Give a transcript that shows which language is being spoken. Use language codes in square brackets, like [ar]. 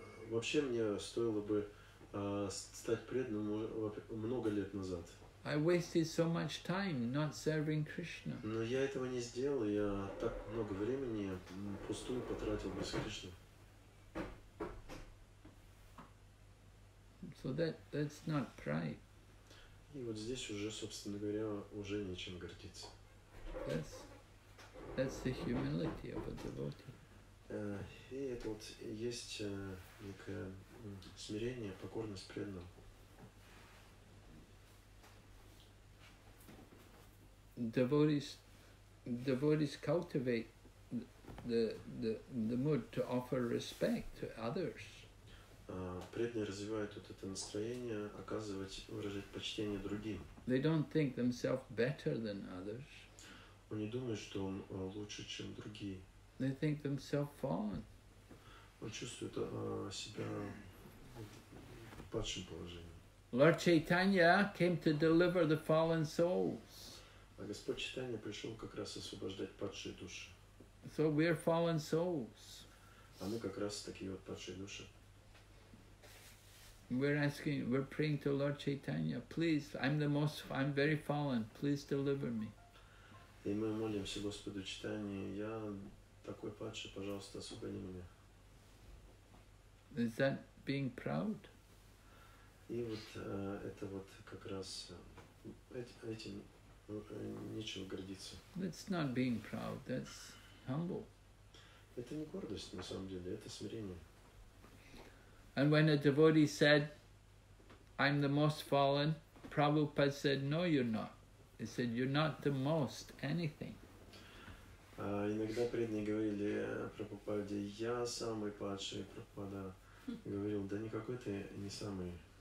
[ru] Вообще мне стоило бы стать преданным много лет назад. [en] I wasted so much time not serving Krishna. [ru] Но я этого не сделал, я так много времени пустую потратил без Кришны. [en] So that's not pride. [ru] И вот здесь уже, собственно говоря, уже нечем гордиться. [en] That's the humility of a devotee. [ru] И это вот есть некое смирение, покорность преданному. [en] Devotees cultivate the mood to offer respect to others. [ru] Преданные развивают вот это настроение оказывать, выражать почтение другим. [en] They don't think themselves better than others. [ru] Они думают, что он лучше, чем другие. [en] They think themselves fallen. [ru] Он чувствует себя в падшем положении. [en] Lord Chaitanya came to deliver the fallen souls. [ru] А Господь Чайтанья пришел как раз освобождать падшие души. [en] So we are fallen souls. [ru] А мы как раз такие вот падшие души. [en] We're praying to Lord Chaitanya, please, I'm very fallen, please deliver me. [ru] И мы молимся Господу Читанию, я такой падший, пожалуйста, освободи меня. [en] Is that being proud? [ru] И вот это вот как раз этим нечего гордиться. [en] That's not being proud, that's humble. [ru] Это не гордость на самом деле, это смирение. [en] And when a devotee said, I'm the most fallen, Prabhupada said, no, you're not. He said, you're not the most anything. [ru] Иногда преданные говорили Прабхупаде, я самый падший, Прабхупада говорил, да никакой ты не самый.